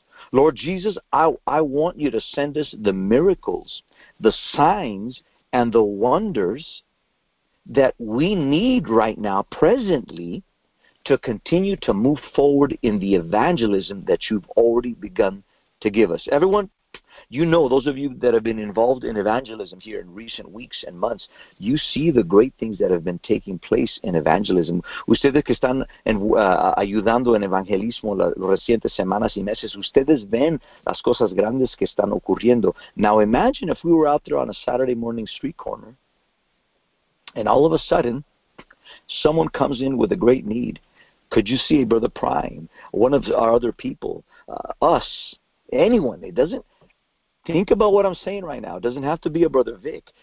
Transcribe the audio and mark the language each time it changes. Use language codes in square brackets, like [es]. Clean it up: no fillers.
[en] Lord Jesus, I want you to send us the miracles, the signs, and the wonders that we need right now, presently, to continue to move forward in the evangelism that you've already begun to give us. Everyone, you know, those of you that have been involved in evangelism here in recent weeks and months, you see the great things that have been taking place in evangelism. [es] Ustedes que están ayudando en evangelismo las recientes semanas y meses, ustedes ven las cosas grandes que están ocurriendo. [en] Now imagine if we were out there on a Saturday morning street corner, and all of a sudden, someone comes in with a great need. Could you see a Brother Prime, one of our other people, us, anyone? It doesn't, think about what I'm saying right now. It doesn't have to be a Brother Vic.